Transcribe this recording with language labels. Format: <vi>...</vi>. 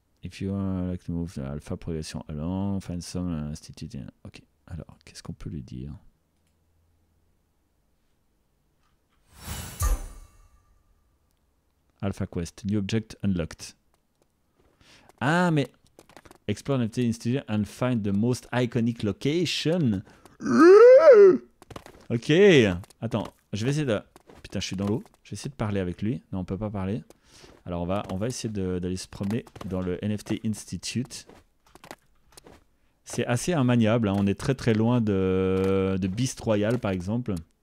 <en>If you like to move the alpha progression along, find some institute.</en> <fr>Ok, alors, qu'est-ce qu'on peut lui dire?</fr> <en>Alpha Quest, new object unlocked.</en> <fr>Ah, mais...</fr> <en>Explore NFT Institute and find the most iconic location.</en> <fr>Ok, attends, je vais essayer de... Putain, je suis dans l'eau. Je vais essayer de parler avec lui. Non, on peut pas parler. Alors, on va essayer d'aller se promener dans le NFT Institute. C'est assez immaniable, hein. On est très très loin de Beast Royale, par exemple.</fr>